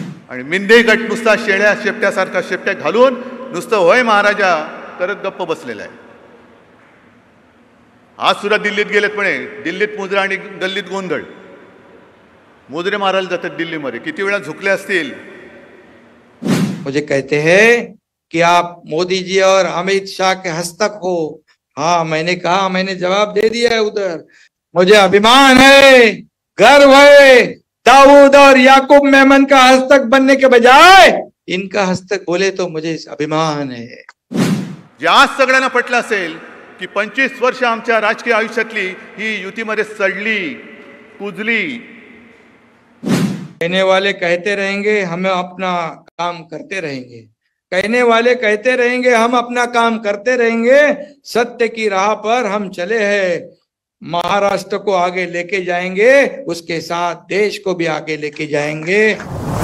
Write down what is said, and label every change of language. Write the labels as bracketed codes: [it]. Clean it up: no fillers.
[mr] आणि मिंदे गट नुसता शेळ्या शेपट्यासारखा शेपट्या घालून नुसतं होय महाराजा करत गप्प बसलेला आहे. आज सुद्धा दिल्लीत गेलेत म्हणे, दिल्लीत मुजरा आणि गल्लीत गोंधळ. मुजरे मारायला जातात दिल्लीमध्ये, किती वेळा झुकले असतील. [hi] म्हणजे कहते हे कि आप मोदी जी और अमित शाह के हस्तक हो. हाँ मैंने कहा, मैंने जवाब दे दिया है उधर. मुझे अभिमान है, गर्व है, दाऊद और याकूब मेमन का हस्तक बनने के बजाय इनका हस्तक बोले तो मुझे अभिमान है. [mr] आज सगळ्यांना पटलं असेल की 25 वर्ष आमच्या राजकीय आयुष्यातली ही युती मध्ये सडली कुजली. [hi] कहने वाले कहते रहेंगे हम अपना काम करते रहेंगे, कहने वाले कहते रहेंगे हम अपना काम करते रहेंगे, सत्य की राह पर हम चले हैं, महाराष्ट्र को आगे लेके जाएंगे, उसके साथ देश को भी आगे लेके जाएंगे.